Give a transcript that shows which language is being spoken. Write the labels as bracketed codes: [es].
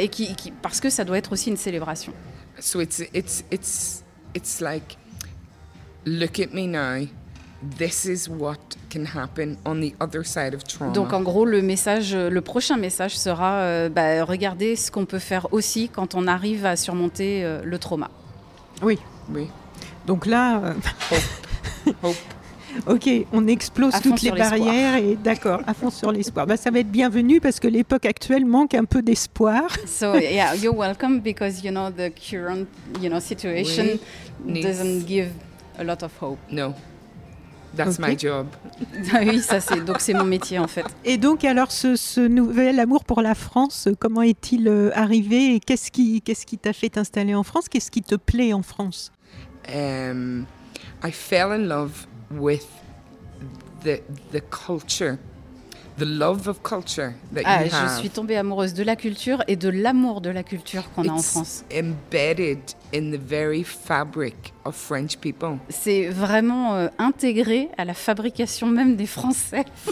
[fr] Et parce que ça doit être aussi une célébration. [en] So it's like, look at me now. This is what can happen on the other side of trauma. [fr] Donc en gros le prochain message sera regardez ce qu'on peut faire aussi quand on arrive à surmonter le trauma. Oui. Oui. Donc là [en] Hope. [fr] OK, on explose toutes les barrières et d'accord, à fond sur l'espoir. Ça va être bienvenu parce que l'époque actuelle manque un peu d'espoir. [en] So yeah, you're welcome because you know the current, you know, situation doesn't give a lot of hope. No. That's okay. My job. [fr] Oui, ça c'est mon métier en fait. Et donc alors ce nouvel amour pour la France, comment est-il arrivé et qu'est-ce qui t'a fait t'installer en France? Qu'est-ce qui te plaît en France? [en] I fell in love with the culture. The love of culture that you have. [fr] Je suis tombée amoureuse de la culture et de l'amour de la culture qu'on [en] It's [fr] a en France. [en] Embedded in the very fabric of French people. [fr] C'est vraiment intégré à la fabrication même des Français.